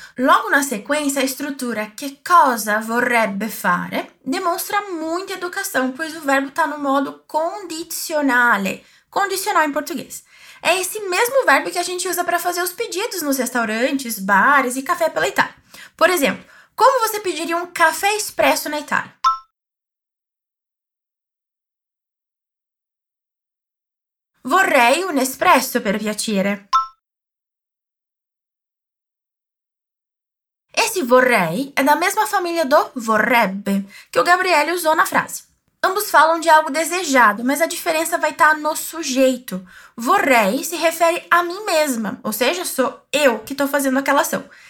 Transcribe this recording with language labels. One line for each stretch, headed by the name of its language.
Portuguese: Logo na sequência, a estrutura
Italian: che cosa vorrebbe fare
Portuguese: demonstra muita educação, pois o verbo está no modo condicionale. Condicional em português. É esse mesmo verbo que a gente usa para fazer os pedidos nos restaurantes, bares e café pela Itália. Por exemplo, como você pediria um café expresso na Itália?
Italian: Vorrei un espresso, per piacere.
Portuguese: Esse vorrei é da mesma família do vorrebbe, que o Gabriele usou na frase. Ambos falam de algo desejado, mas a diferença vai estar no sujeito. Vorrei se refere a mim mesma, ou seja, sou eu que estou fazendo aquela ação.